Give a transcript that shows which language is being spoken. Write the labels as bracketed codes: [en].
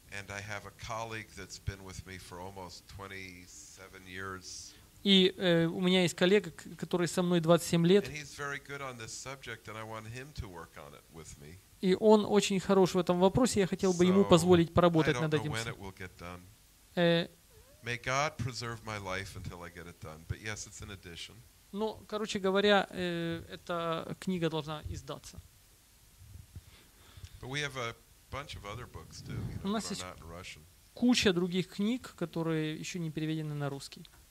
[en] And I have a colleague that's been with me for almost 27 years. [ru] И у меня есть коллега, который со мной 27 лет. [en] And he's very good on this subject, and I want him to work on it with me. [ru] И он очень хорош в этом вопросе, я хотел бы ему позволить поработать над этим. [en] I don't know when it will get done. May God preserve my life until I get it done. But yes, it's an addition. [ru] Ну, короче говоря, эта книга должна издаться. [en] But we have a bunch of other books too, you know, that are not in Russian. [ru] Куча других книг, которые еще не переведены на русский.